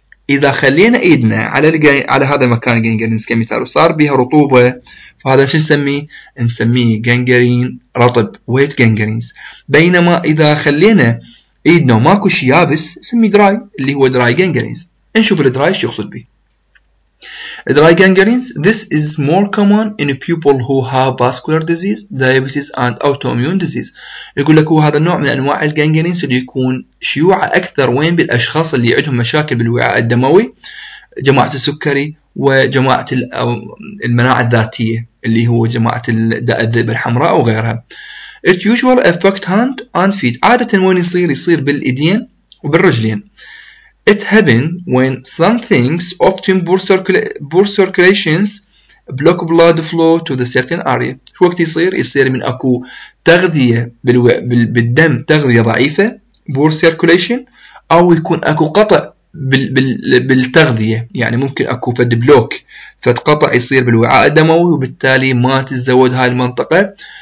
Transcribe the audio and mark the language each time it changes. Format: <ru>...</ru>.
<ar>اذا خلينا ايدنا على هذا مكان الجنجرينز كمثال وصار بها رطوبة، فهذا شو نسميه جنجرين رطب، ويت جنجرينز. بينما اذا خلينا ايدنا ماكو شيء يابس نسميه دراي اللي هو دراي جنجرينز. نشوف الدراي شو يقصد به.</ar> <en>Dry gangrenes this is more common in people who have vascular disease, diabetes and autoimmune disease.</en> <ar>يقول لك هو هذا النوع من انواع الجنجرينز اللي يكون شيوعة اكثر وين؟ بالاشخاص اللي عندهم مشاكل بالوعاء الدموي، جماعة السكري وجماعة المناعة الذاتية اللي هو جماعة داء الذئب الحمراء وغيرها.</ar> <en>It usually affect hand and feet.</en> <ar>عادة وين يصير بالإيدين وبالرجلين.</ar> <en>It happen when some things often poor circulations block blood flow to the certain area.</en> <ar>شو وقت يصير من أكو تغذية بالدم، تغذية ضعيفة</ar> <en>poor circulation،</en> <ar>أو يكون أكو قطع بالتغذية، يعني ممكن اكو فد بلوك فد قطع يصير بالوعاء الدموي، وبالتالي ما تتزود هاي المنطقة</ar>